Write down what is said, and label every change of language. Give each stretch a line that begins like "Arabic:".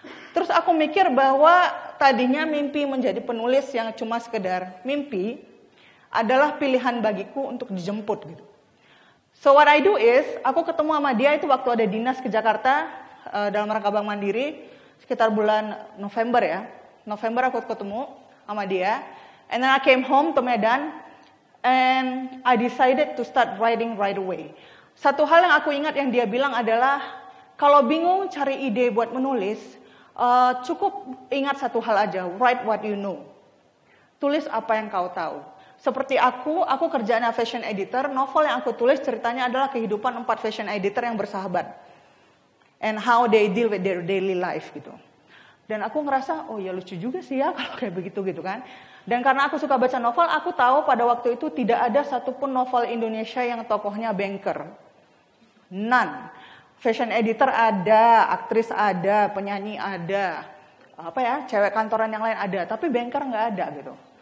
Indonesian: Terus aku mikir bahwa tadinya mimpi menjadi penulis yang cuma sekedar mimpi adalah pilihan bagiku untuk dijemput gitu.
English: So what I do is,
Indonesian: aku ketemu sama dia itu waktu ada dinas ke Jakarta dalam rangka Bank Mandiri, sekitar bulan November ya. November aku ketemu sama dia,
English: and then I came home to Medan, and I decided to start writing right away.
Indonesian: Satu hal yang aku ingat yang dia bilang adalah, kalau bingung cari ide buat menulis, cukup ingat satu hal aja,
English: write what you know.
Indonesian: Tulis apa yang kau tahu. Seperti aku kerjanya fashion editor, novel yang aku tulis ceritanya adalah kehidupan 4 fashion editor yang bersahabat.
English: And how they deal with their daily life gitu.
Indonesian: Dan aku ngerasa, oh ya lucu juga sih ya kalau kayak begitu gitu kan. Dan karena aku suka baca novel, aku tahu pada waktu itu tidak ada satupun novel Indonesia yang tokohnya banker. None. Fashion editor ada, aktris ada, penyanyi ada, apa ya, cewek kantoran yang lain ada, tapi banker nggak ada gitu.